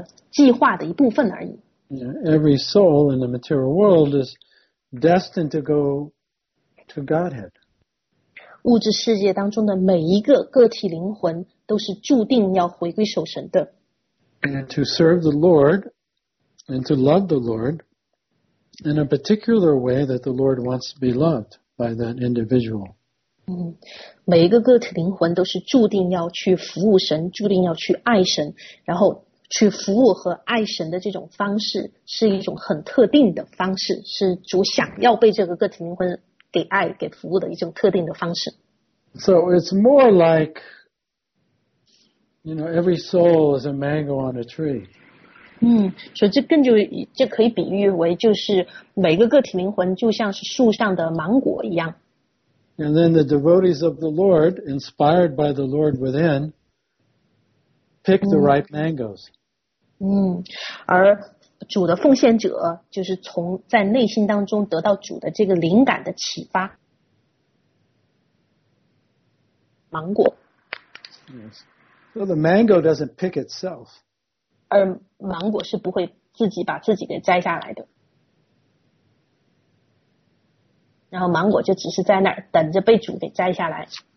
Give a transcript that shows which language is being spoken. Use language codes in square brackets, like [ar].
[zh] 计划的一部分而已。 [en] Every soul in the material world is destined to go to Godhead. [zh] 物质世界当中的每一个个体灵魂都是注定要回归守神的。 [en] And to serve the Lord and to love the Lord in a particular way that the Lord wants to be loved. By that individual. [zh] 每一个个体灵魂都是注定要去服务神，注定要去爱神，然后去服务和爱神的这种方式是一种很特定的方式，是主想要被这个个体灵魂给爱，给服务的一种特定的方式。 [en] So it's more like, you know, every soul is a mango on a tree. [zh] 所以这可以比喻为就是每个个体灵魂就像是树上的芒果一样。 [en] And then the devotees of the Lord, inspired by the Lord within, pick the ripe mangoes. [zh] 而主的奉献者就是从在内心当中得到主的这个灵感的启发。芒果。 [en] Yes. So the mango doesn't pick itself. [zh] 而芒果是不会自己把自己给摘下来的，然后芒果就只是在那儿等着被主给摘下来。